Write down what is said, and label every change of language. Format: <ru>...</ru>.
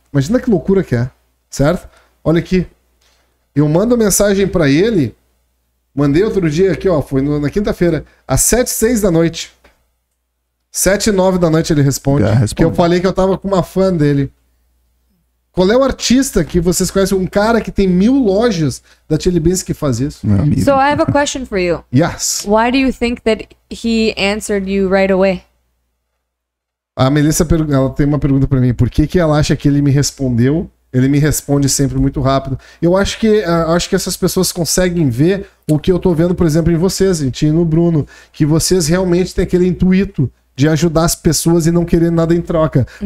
<pt>Imagina que loucura que é, certo? Olha aqui, eu mando mensagem pra ele, mandei outro dia aqui, ó, foi na quinta-feira, às 7:06 da noite. 7:09 da noite ele responde, que eu falei que eu tava com uma fã dele. Qual é o artista que vocês conhecem? Um cara que tem 1000 lojas da Chili Beans que faz isso.</pt> <en>So I have a question for you. Yes. Why do you think that he answered you right away?</en> <pt>A Melissa, ela tem uma pergunta pra mim. Por que que ela acha que ele me respondeu? Ele me responde sempre muito rápido. Eu acho que, essas pessoas conseguem ver o que eu tô vendo, por exemplo, em vocês, em ti e no Bruno. Que vocês realmente têm aquele intuito de ajudar as pessoas e não querer nada em troca. Uhum.</pt>